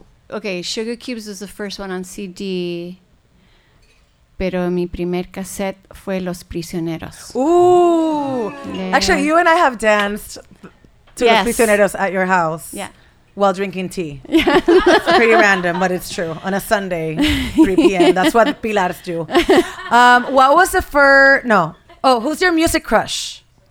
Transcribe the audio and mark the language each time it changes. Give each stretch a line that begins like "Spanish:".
English: Okay, Sugar Cubes was the first one on CD.
Spanish: Pero mi primer cassette fue Los Prisioneros.
English: Ooh! Yeah. Actually, you and I have danced to Los Prisioneros at your house. Yeah. While drinking tea. Yeah. It's pretty random, but it's true. On a Sunday, 3 p.m. That's what Pilars do. What was the first... No. Oh, who's your music crush?